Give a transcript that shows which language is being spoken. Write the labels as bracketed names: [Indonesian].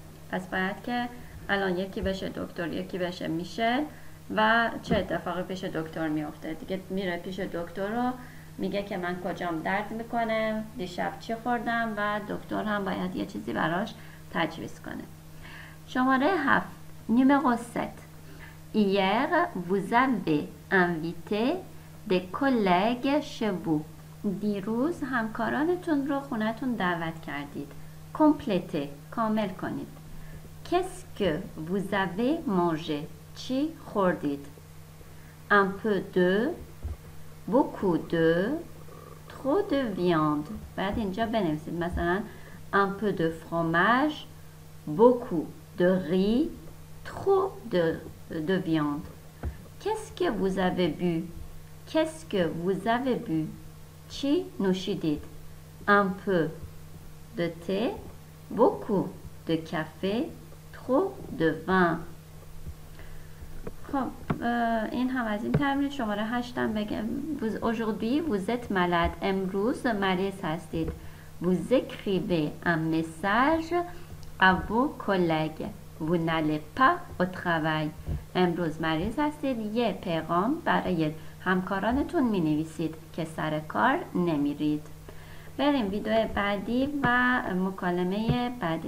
[Persian] پس باید که الان یکی بشه دکتر، یکی بشه میشل و چه اتفاقی پیش دکتر میفته؟ دیگه میره پیش دکتر رو میگه که من کجام درد میکنه، دیشب چی خوردم و دکتر هم باید یه چیزی براش تجویز کنه. شماره 7 نیمه قصد. [French] Hier, vous avez invité des collègues chez vous. [Persian] دیروز همکارانتون رو خونتون دعوت کردید. [French] Complétez. [Persian] کامل کنید. [French] Qu'est-ce que vous avez mangé? [Persian] چی خوردید؟ [French] Un peu de. Beaucoup de. Trop de viande. [Persian] بعد اینجا بنویسید. [French] مثلا un peu de fromage. Beaucoup de riz. Trop de viande. Qu'est-ce que vous avez bu? Qu'est-ce que vous avez bu? [Persian] Chi nushidit? [French] Un peu de thé, beaucoup de café, trop de vin. [Persian] خب این هم از این تمرین شماره 8 هم بگم. [French] Aujourd'hui vous êtes malade. [Persian] امروز مریض هستید. [French] Vous écrivez un message à vos collègues. Vous n'allez pas au travail. [Persian] امروز مریض هستید، یه پیغام برای همکارانتون می نویسید که سر کار نمیرید. بریم ویدیو بعدی و مکالمه بعدی.